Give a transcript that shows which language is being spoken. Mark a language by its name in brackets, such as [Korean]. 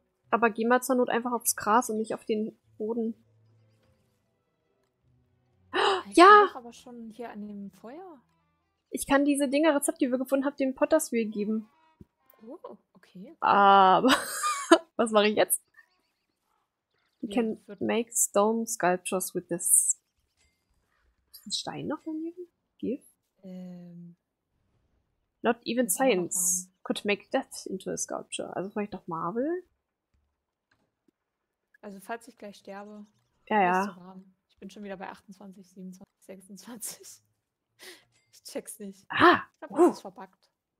[German] Aber geh mal zur Not einfach aufs Gras und nicht auf den Boden. Ich ja! Bin doch aber schon hier an dem Feuer. Ich kann diese Dinger-Rezept, die wir gefunden haben, dem Potters Wheel geben. Oh, okay. Aber was mache ich jetzt? [English] You can make stone sculptures with this. [German] Ist ein Stein noch daneben? Gift? [English] Not even science could make that into a sculpture. [German] Also vielleicht doch Marvel? Also falls ich gleich sterbe. Ja, ja. Ich bin schon wieder bei 28, 27, 26. Ich check's nicht. Ah! Ich hab alles verpackt.